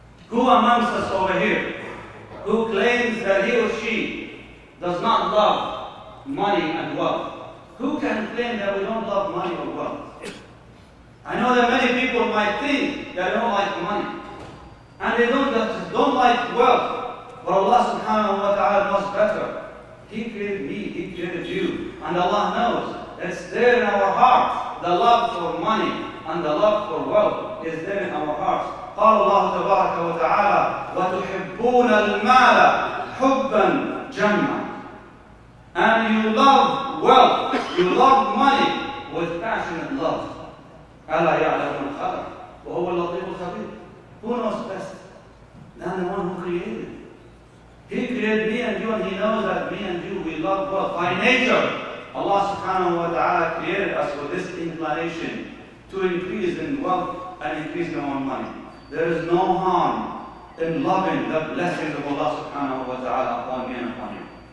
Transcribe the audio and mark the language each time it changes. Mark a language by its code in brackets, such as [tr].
[en] who amongst us over here who claims that he or she does not love money and wealth who can claim that we don't love money or wealth I know that many people might think that they don't like money And they don't like wealth. But Allah subhanahu wa ta'ala knows better. He created me, He created you. And Allah knows it's there in our hearts. The love for money and the love for wealth is there in our hearts. [ar] قال الله تبارك وتعالى وتحبون المال حبا جما [en] And you love wealth, you love money with passionate love. [ar] ألا يعلم الخلق وهو اللطيف الخبير [en] Who knows best? Than the one who created. He created me and you, and he knows that me and you, we love wealth. By nature, Allah subhanahu wa ta'ala created us with this inclination to increase in wealth and increase in our money. There is no harm in loving the blessings of Allah subhanahu wa ta'ala upon me and upon you.